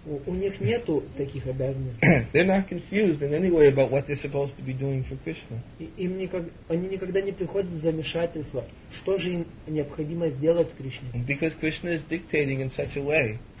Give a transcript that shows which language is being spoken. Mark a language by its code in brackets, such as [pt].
[ru] У них нету таких обязанностей. [en] They're not confused in any way about what they're supposed to be doing for Krishna. [ru] Они никогда не приходят в замешательство, что же им необходимо сделать с Кришной. [en] Because Krishna is dictating in such a way.